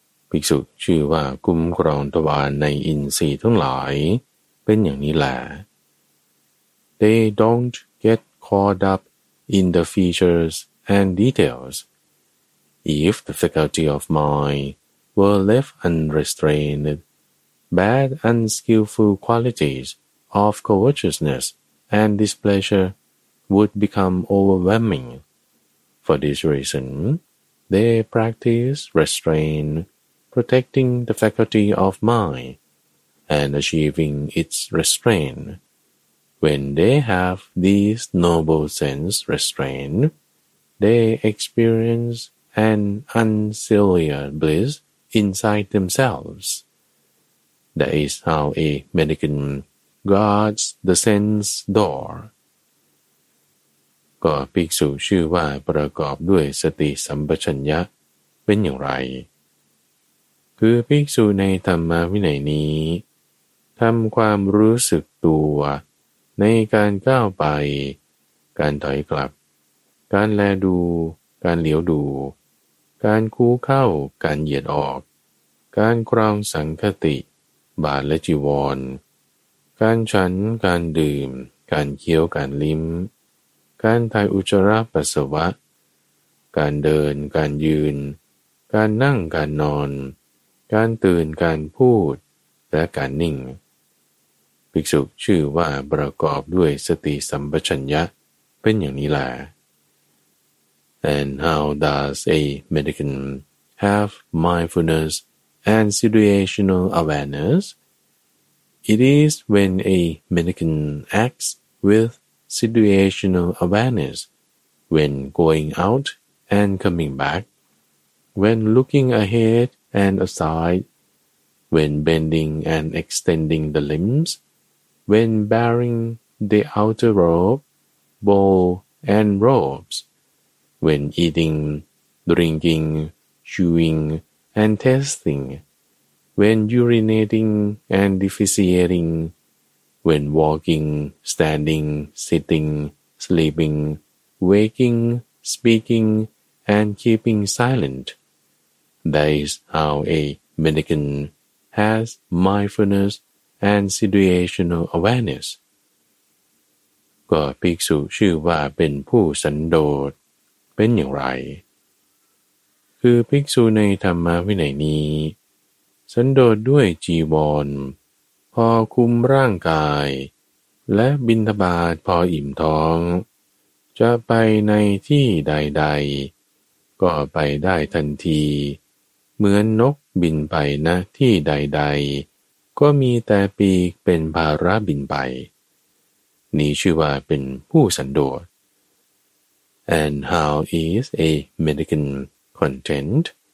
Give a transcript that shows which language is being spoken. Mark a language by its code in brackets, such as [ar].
[th] ภิกษุชื่อว่าคุ้มครองตวานในอินทรีย์ทั้งหลายเป็นอย่างนี้แหละ [en] They don't get caught up in the features and detailsIf the faculty of mind were left unrestrained, bad and skillful qualities of covetousness and displeasure would become overwhelming. For this reason, they practice restraint, protecting the faculty of mind and achieving its restraint. When they have these noble sense restrained, they experienceAn unsealed bliss inside themselves. That is how a mendicant guards the sense door. [th] ก็ภิกษุชื่อว่าประกอบด้วยสติสัมปชัญญะเป็นอย่างไรคือภิกษุในธรรมวินัยนี้ทำความรู้สึกตัวในการก้าวไป การถอยกลับการแลดูการเหลียวดูการคู่เข้าการเหยียดออกการครองสังคติบาทและจีวรการฉันการดื่มการเคี้ยวการลิ้มการถ่ายอุจจาระปัสสาวะการเดินการยืนการนั่งการนอนการตื่นการพูดและการนิ่ง ภิกษุชื่อว่าประกอบด้วยสติสัมปชัญญะเป็นอย่างนี้แหละ [en] And how does a mendicant have mindfulness and situational awareness? It is when a mendicant acts with situational awareness, when going out and coming back, when looking ahead and aside, when bending and extending the limbs, when bearing the outer robe, bowl and robes,When eating, drinking, chewing, and tasting, when urinating and defecating, when walking, standing, sitting, sleeping, waking, speaking, and keeping silent. That is how a mendicant has mindfulness and situational awareness. [th] ก็ภิกษุชื่อว่าเป็นผู้สันโดษเป็นอย่างไรคือภิกษุในธรรมวินัยนี้ สันโดษด้วยจีวรพอคุมร่างกายและบิณฑบาตพออิ่มท้องจะไปในที่ใดๆก็ไปได้ทันทีเหมือนนกบินไปนะที่ใดๆก็มีแต่ปีกเป็นภาระบินไปนี้ชื่อว่าเป็นผู้สันโดษ [en] And how is a mendicant content?